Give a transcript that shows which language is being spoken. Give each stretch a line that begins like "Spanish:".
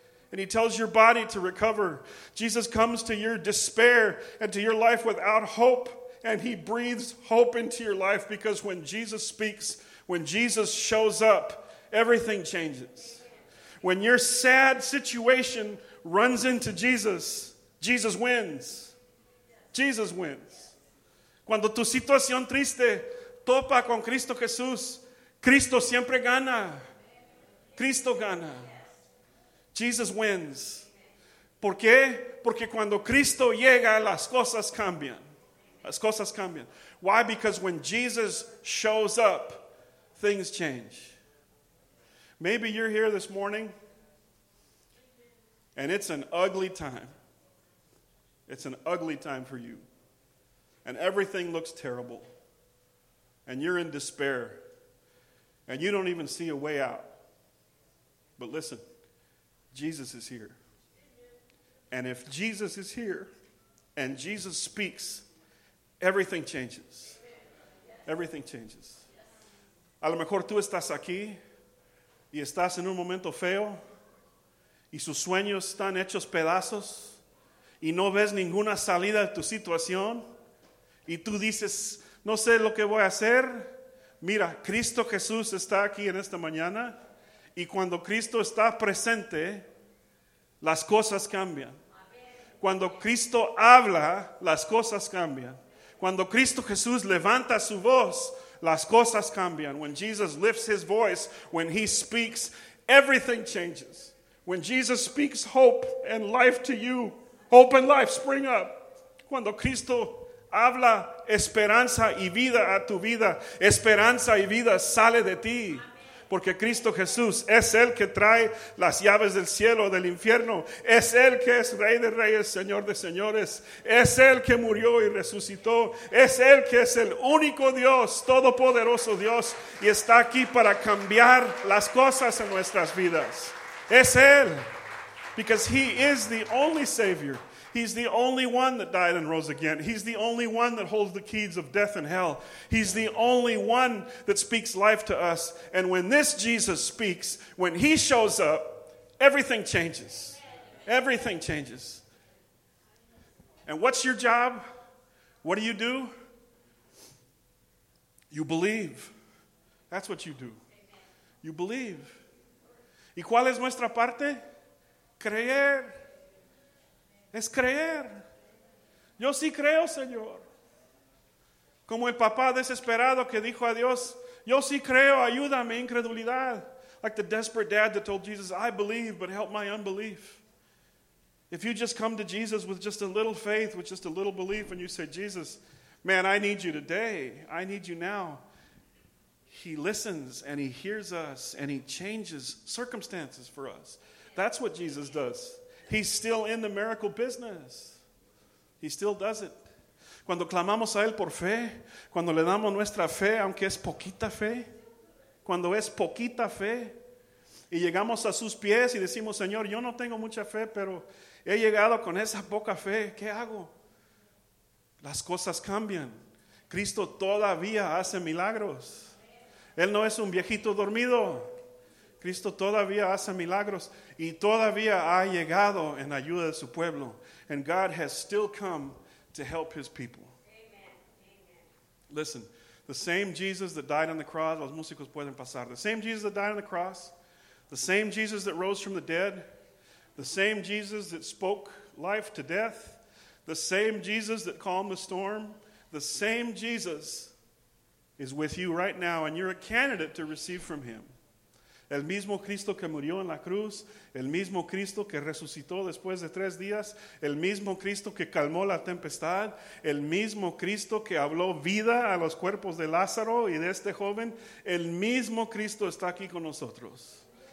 English: And he tells your body to recover. Jesus comes to your despair and to your life without hope. And he breathes hope into your life, because when Jesus speaks, when Jesus shows up, everything changes. When your sad situation runs into Jesus, Jesus wins. Jesus wins.
Spanish: Cuando tu situación triste topa con Cristo Jesús, Cristo siempre gana. Cristo gana.
English: Jesus wins.
Spanish: ¿Por qué? Porque cuando Cristo llega, las cosas cambian. Las cosas cambian.
English: Why? Because when Jesus shows up, things change. Maybe you're here this morning and it's an ugly time. It's an ugly time for you. And everything looks terrible. And you're in despair. And you don't even see a way out. But listen, Jesus is here. And if Jesus is here and Jesus speaks, everything changes. Everything changes.
Spanish: A lo mejor tú estás aquí y estás en un momento feo y sus sueños están hechos pedazos y no ves ninguna salida de tu situación y tú dices, no sé lo que voy a hacer. Mira, Cristo Jesús está aquí en esta mañana y cuando Cristo está presente, las cosas cambian. Cuando Cristo habla, las cosas cambian. Cuando Cristo Jesús levanta su voz, las cosas cambian.
English: When Jesus lifts his voice, when he speaks, everything changes. When Jesus speaks hope and life to you, hope and life spring up.
Spanish: Cuando Cristo habla esperanza y vida a tu vida, esperanza y vida sale de ti. Porque Cristo Jesús es el que trae las llaves del cielo, del infierno. Es el que es Rey de Reyes, Señor de Señores. Es el que murió y resucitó. Es el que es el único Dios, todopoderoso Dios. Y está aquí para cambiar las cosas en nuestras vidas. Es él.
English: Because he is the only Savior. He's the only one that died and rose again. He's the only one that holds the keys of death and hell. He's the only one that speaks life to us. And when this Jesus speaks, when he shows up, everything changes. Everything changes. And what's your job? What do? You believe. That's what you do. You believe.
Spanish: ¿Y cuál es nuestra parte? Creer. Es creer. Yo sí creo, Señor. Como el papá desesperado que dijo a Dios, yo sí creo, ayúdame, incredulidad.
English: Like the desperate dad that told Jesus, I believe, but help my unbelief. If you just come to Jesus with just a little faith, with just a little belief, and you say, Jesus, man, I need you today. I need you now. He listens and he hears us and he changes circumstances for us. That's what Jesus does. He's still in the miracle business. He still does it.
Spanish: Cuando clamamos a él por fe, cuando le damos nuestra fe, aunque es poquita fe, cuando es poquita fe, y llegamos a sus pies y decimos, Señor, yo no tengo mucha fe, pero he llegado con esa poca fe. ¿Qué hago? Las cosas cambian. Cristo todavía hace milagros. Él no es un viejito dormido. Cristo todavía hace milagros. Y todavía ha llegado en ayuda de su pueblo.
English: And God has still come to help his people. Amen. Listen, the same Jesus that died on the cross,
Spanish: los músicos pueden pasar.
English: The same Jesus that died on the cross, the same Jesus that rose from the dead, the same Jesus that spoke life to death, the same Jesus that calmed the storm, the same Jesus is with you right now, and you're a candidate to receive from him.
Spanish: El mismo Cristo que murió en la cruz, el mismo Cristo que resucitó después de tres días, el mismo Cristo que calmó la tempestad, el mismo Cristo que habló vida a los cuerpos de Lázaro y de este joven, el mismo Cristo está aquí con nosotros.